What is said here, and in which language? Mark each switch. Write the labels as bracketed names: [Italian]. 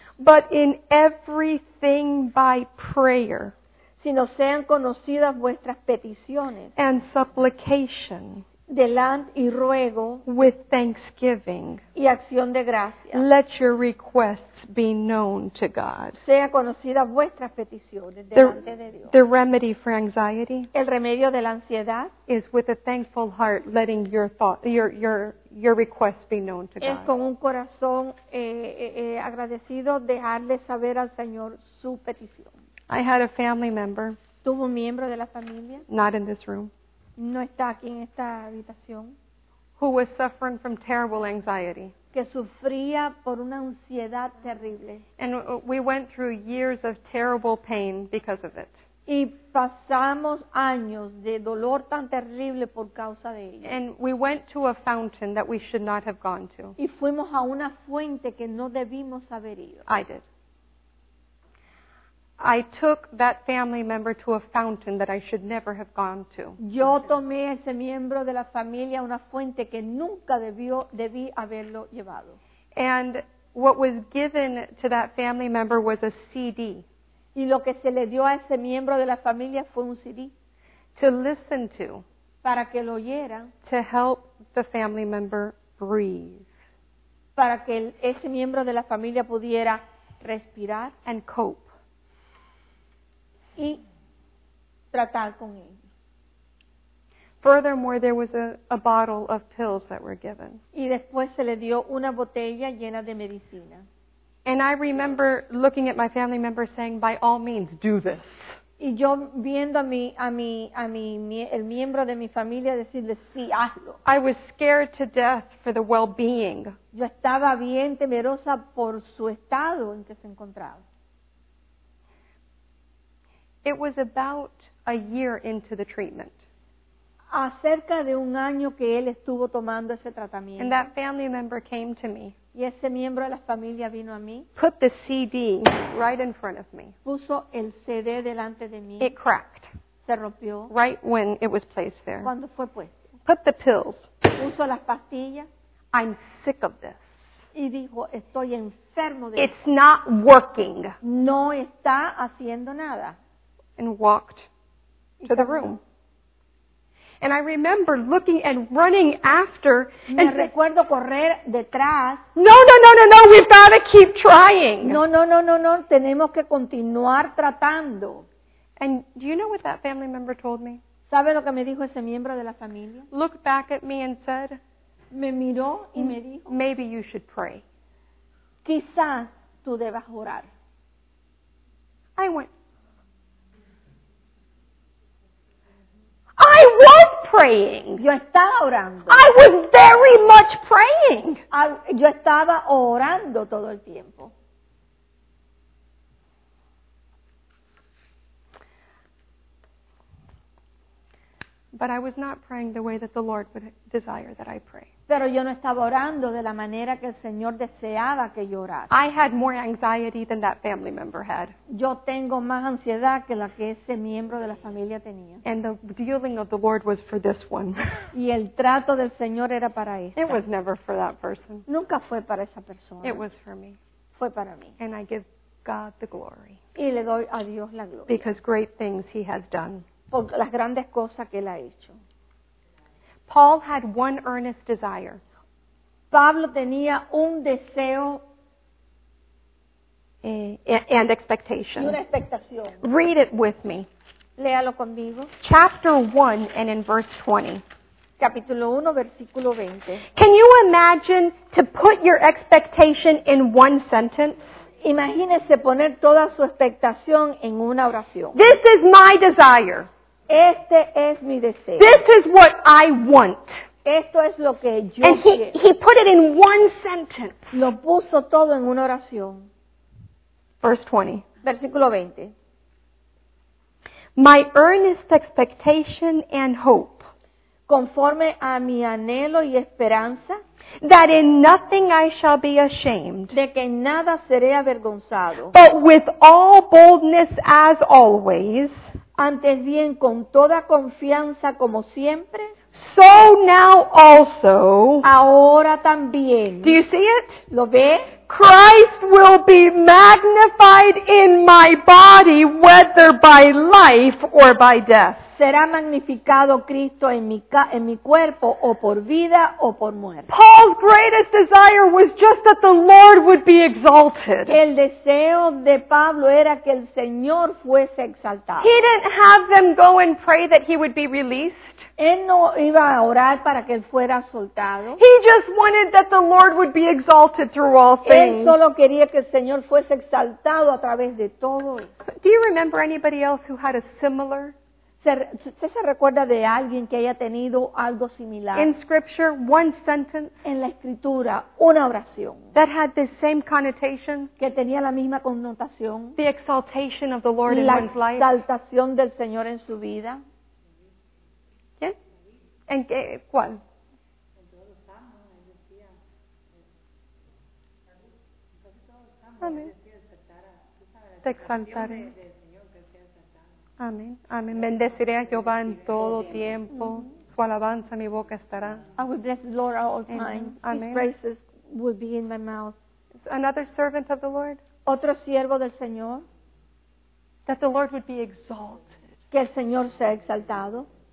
[English] But in everything by prayer. [Spanish] Sino sean conocidas vuestras peticiones. [English] And supplication. [Spanish] Delante y ruego. [English] With thanksgiving. [Spanish] Y acción de gracia. [English] Let your requests be known to God. [Spanish] Sean conocidas vuestras peticiones delante de Dios. [English] The remedy for anxiety. [Spanish] El remedio de la ansiedad. [English] Is with a thankful heart letting your thought, your request be known to God. [Spanish] Es con un corazón agradecido dejarle saber al Señor su petición. [English] I had a family member. [Spanish] Tuvo un miembro de la familia. [English] Not in this room. [Spanish] No está aquí en esta habitación. [English] Who was suffering from terrible anxiety. [Spanish] Que sufría por una ansiedad terrible. [English] And we went through years of terrible pain because of it. [Spanish] Y pasamos años de dolor tan terrible por causa de ella. [English] And we went to a fountain that we should not have gone to. [Spanish] Y fuimos a una fuente que no debimos haber ido. [English] I did. I took that family member to a fountain that I should never have gone to. [Spanish] Yo tomé ese miembro de la familia a una fuente que nunca debí haberlo llevado. [English] And what was given to that family member was a CD. [Spanish] Y lo que se le dio a ese miembro de la familia fue un CD. [English] To listen to. [Spanish] Para que lo oyera. [English] To help the family member breathe. [Spanish] Para que ese miembro de la familia pudiera respirar. [English] And cope. [Spanish] Y tratar con él. [English] Furthermore, there was a bottle of pills that were given. [Spanish] Y después se le dio una botella llena de medicina. [English] And I remember looking at my family member saying, by all means, do this. [Spanish] Y yo viendo el miembro de mi familia decirle, sí, hazlo. [English] I was scared to death for the well-being. [Spanish] Yo estaba bien temerosa por su estado en que se encontraba. [English] It was about a year into the treatment. [Spanish] Acerca de un año que él estuvo tomando ese tratamiento. [English] And that family member came to me. [Spanish] Y ese miembro de la familia vino a mí. [English] Put the CD right in front of me. [Spanish] Puso el CD delante de mí. [English] It cracked. [Spanish] Se rompió. [English] Right when it was placed there. [Spanish] Cuando fue puesto. [English] Put the pills. [Spanish] Puso las pastillas. [English] I'm sick of this. [Spanish] Y dijo, estoy enfermo de [English] It's [Spanish] esto. [English] Not working. [Spanish] No está haciendo nada. [English] And walked to the room. And I remember looking and running after. And [Spanish] recuerdo correr detrás. [English] No, no, no, no, no, we've got to keep trying. [Spanish] No, no, no, no, no, tenemos que continuar tratando. [English] And do you know what that family member told me? [Spanish] ¿Sabe lo que me dijo ese miembro de la familia? [English] Looked back at me and said, [Spanish] me miró y me dijo, [English] maybe you should pray. [Spanish] quizás tú debas orar. [English] I was praying. [Spanish] Yo estaba orando. [English] I was very much praying. [Spanish] Yo estaba orando todo el tiempo. [English] But I was not praying the way that the Lord would desire that I pray. [Spanish] Pero yo no estaba orando de la manera que el Señor deseaba que yo orara. [English] I had more anxiety than that family member had. [Spanish] Yo tengo más ansiedad que la que ese miembro de la familia tenía. [English] And the dealing of the Lord was for this one. [Spanish] Y el trato del Señor era para esta. [English] It was never for that person. [Spanish] Nunca fue para esa persona. [English] It was for me. [Spanish] Fue para mí. [English] And I give God the glory. [Spanish] Y le doy a Dios la gloria. [English] Because great things He has done. [Spanish] Por las grandes cosas que él ha hecho. [English] Paul had one earnest desire. [Spanish] Pablo tenía un deseo [English] and expectation. [Spanish] Y una expectación. [English] Read it with me. [Spanish] Léalo conmigo. [English] Chapter 1 and in verse 20. [Spanish] Capítulo 1, versículo 20. [English] Can you imagine to put your expectation in one sentence? [Spanish] Imagínese poner toda su expectación en una oración. [English] This is my desire. [Spanish] Este es mi deseo. [English] This is what I want. [Spanish] Esto es lo que yo quiero. [English] And he put it in one sentence. [Spanish] Lo puso todo en una oración. [English] Verse 20. [Spanish] Versículo 20. [English] My earnest expectation and hope. [Spanish] Conforme a mi anhelo y esperanza. [English] That in nothing I shall be ashamed. [Spanish] De que nada seré avergonzado. [English] But with all boldness as always. [Spanish] Antes bien, con toda confianza como siempre. [English] So now also. [Spanish] Ahora también. [English] Do you see it? [Spanish] ¿Lo ve? [English] Christ will be magnified in my body, whether by life or by death. [Spanish] Será magnificado Cristo en mi cuerpo, o por vida o por muerte. [English] Paul's greatest desire was just that the Lord would be exalted. [Spanish] El deseo de Pablo era que el Señor fuese exaltado. [English] He didn't have them go and pray that he would be released. [Spanish] Él no iba a orar para que él fuera soltado. [English] He just wanted that the Lord would be exalted through all things. [Spanish] Él solo quería que el Señor fuese exaltado a través de todo. [English] Do you remember anybody else who had a similar? [Spanish] ¿Usted se recuerda de alguien que haya tenido algo similar? [English] In scripture, one sentence. [Spanish] En la escritura, una oración. [English] That had the same connotation. [Spanish] Que tenía la misma connotación. [English] The exaltation of the Lord in one's life. [Spanish] La exaltación del Señor en su vida. ¿Quién? ¿En qué? ¿Cuál? Amén. Te exaltaré. Amén, amén. Bendeciré a Jehová en todo tiempo. Su alabanza en mi boca estará. [English] I will bless the Lord all the time. Amen. His praises will be in my mouth. Another servant of the Lord. [Spanish] Otro siervo del Señor. [English] That the Lord would be exalted. [Spanish] Que el Señor sea exaltado.